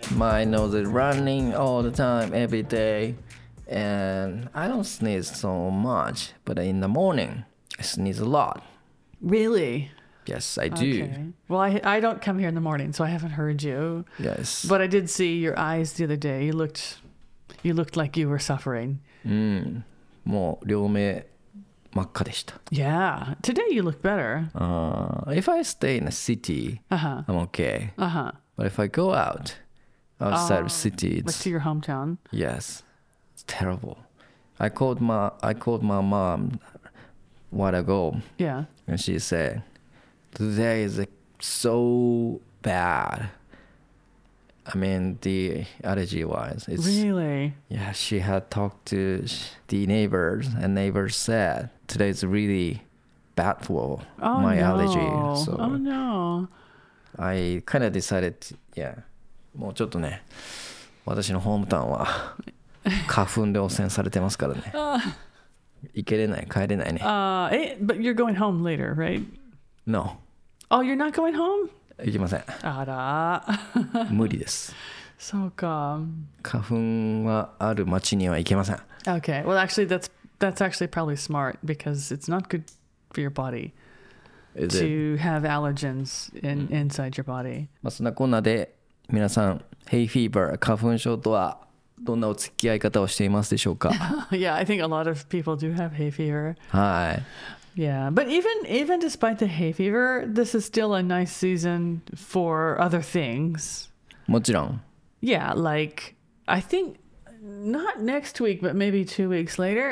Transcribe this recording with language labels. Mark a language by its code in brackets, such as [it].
[en] My nose is running all the time, every day. And I don't sneeze so much, but in the morning, I sneeze a lot. Really? Yes, I do. Okay. Well, I don't come here in the morning, so I haven't heard you. Yes. But I did see your eyes the other day. You looked like you were suffering. Mm. [ja] もう両目真っ赤でした。 [en] Yeah. Today you look better. If I stay in a city, I'm okay. But if I go outside of cities. Like to your hometown? Yes. Terrible. I called my mom while ago. Yeah. And she said, today is so bad. I mean, the allergy wise. Really? Yeah. She had talked to the neighbors, and neighbors said, today is really bad for allergy. So, oh, no. I kind of decided, [ja] もうちょっとね、私のホームタウンは。花粉で汚染されてますからね。行けれない、帰れないね。 [en] But you're going home later, right? No. Oh, you're not going home? [ja] 行きません。あら。無理です。そうか。花粉はある町には行けません。 [en] Okay. Well, actually, that's actually probably smart because it's not good for your body to have allergens inside your body. [ja] まあそんなこんなで皆さん、hay fever、花粉症とは。どんなお付き合い方をしていますでしょうか? [en] Yeah, I think a lot of people do have hay fever. [ja] はい。 [en] Yeah, but even despite the hay fever, this is still a nice season for other things. [ja] もちろん。 [en] Yeah, like, I think not next week, but maybe 2 weeks later.